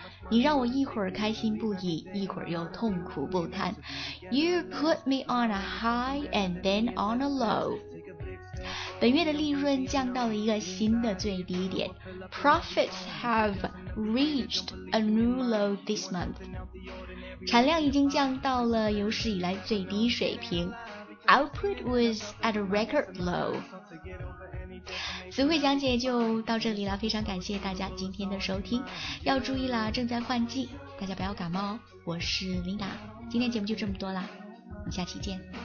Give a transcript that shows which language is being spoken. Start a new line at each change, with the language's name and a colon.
Chinese: 你让我一会儿开心不已，一会儿又痛苦不堪。
English: You put me on a high and then on a low.
Chinese: 本月的利润降到了一个新的最低点。
English: Profits have reached a new low this month.
Chinese: 产量已经降到了有史以来最低水平。
English: Output was at a record low.
Chinese: 词汇讲解就到这里了，非常感谢大家今天的收听。要注意啦，正在换季，大家不要感冒哦。我是琳达，今天节目就这么多啦，我们下期见。